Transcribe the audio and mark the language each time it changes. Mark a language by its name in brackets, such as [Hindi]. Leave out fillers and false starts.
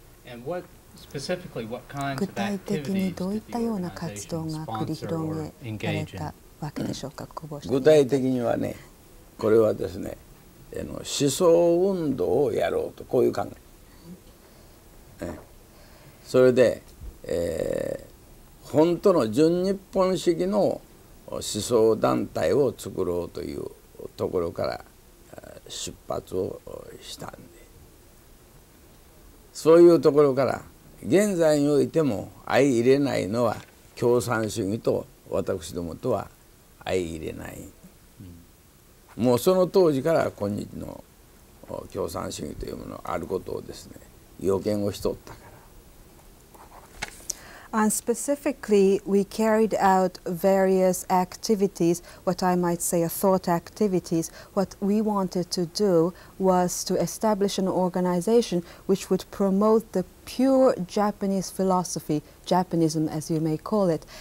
[English] And what specifically, what kinds of activities did the organization sponsor or engage in? [Japanese] 具体的にはね、これはですね、思想運動をやろうと、こういう考え、それで、本当の純日本主義の思想団体を作ろうというところから出発をしたんで、そういうところから現在においても相入れないのは共産主義と私どもとは相入れない。もうその当時から今日の共産主義というものがあることをですね、予見をしとったから。 [English] And specifically, we carried out various activities, what I might say a thought activities. What we wanted to do was to establish an organization which would promote the pure Japanese philosophy, Japanism as you may call it.